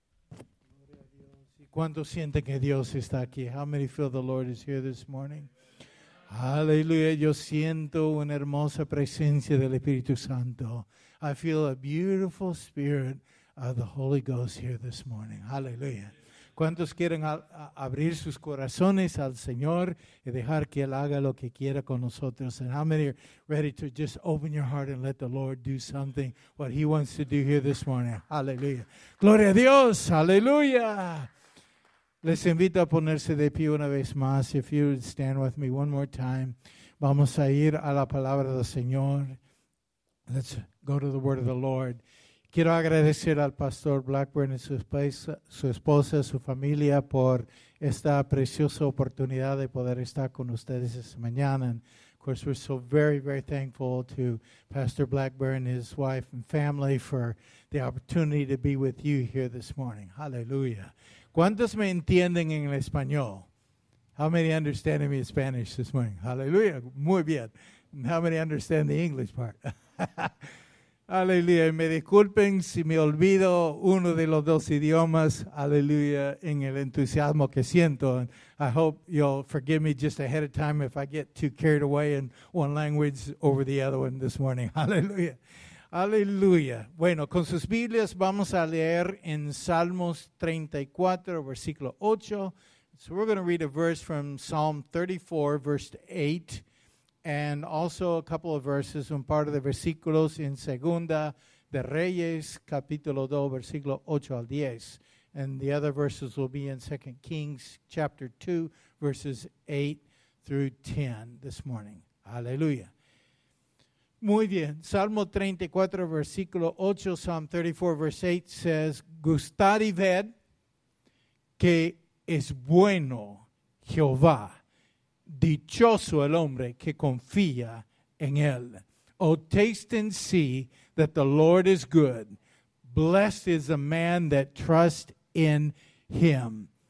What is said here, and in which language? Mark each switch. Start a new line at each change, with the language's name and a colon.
Spanish: Hallelujah. ¿Cuántos sienten que Dios está aquí?
English: How many feel the Lord is here this morning? Hallelujah.
Spanish: Yo siento una hermosa presencia del Espíritu Santo.
English: I feel a beautiful spirit of the Holy Ghost here this morning. Hallelujah.
Spanish: ¿Cuántos quieren abrir sus corazones al Señor y dejar que Él haga lo que quiera con nosotros?
English: And how many are ready to just open your heart and let the Lord do something, what He wants to do here this morning?
Spanish: Hallelujah. Gloria a Dios. Hallelujah. Les invito a ponerse de pie una vez más.
English: If you would stand with me one more time.
Spanish: Vamos a ir a la palabra del Señor.
English: Let's go to the word of the Lord.
Spanish: Quiero agradecer al Pastor Blackburn y su esposa, su familia, por esta preciosa oportunidad de poder estar con ustedes esta mañana.
English: And of course, we're so very, very thankful to Pastor Blackburn, his wife and family, for the opportunity to be with you here this morning. Hallelujah.
Spanish: ¿Cuántos me entienden en español?
English: How many understand me in Spanish this morning? Hallelujah.
Spanish: Muy bien.
English: How many understand the English part?
Spanish: Aleluya, me disculpen si me olvido uno de los dos idiomas, aleluya, en el entusiasmo que siento.
English: I hope you'll forgive me just ahead of time if I get too carried away in one language over the other one this morning.
Spanish: Aleluya, aleluya. Bueno, con sus Biblias vamos a leer en Salmos 34, versículo 8.
English: So we're going to read a verse from Psalm 34, verse 8. And also a couple of verses,
Spanish: un par de versículos en Segunda de Reyes, capítulo 2, versículo 8 al 10.
English: And the other verses will be in 2 Kings, chapter 2, verses 8 through 10 this morning.
Spanish: Aleluya. Muy bien. Salmo 34, versículo 8,
English: Psalm 34, verse 8 says,
Spanish: gustad y ved que es bueno Jehová. Dichoso el hombre que confía en él.
English: Oh, taste and see that the Lord is good. Blessed is the man that trusts in him.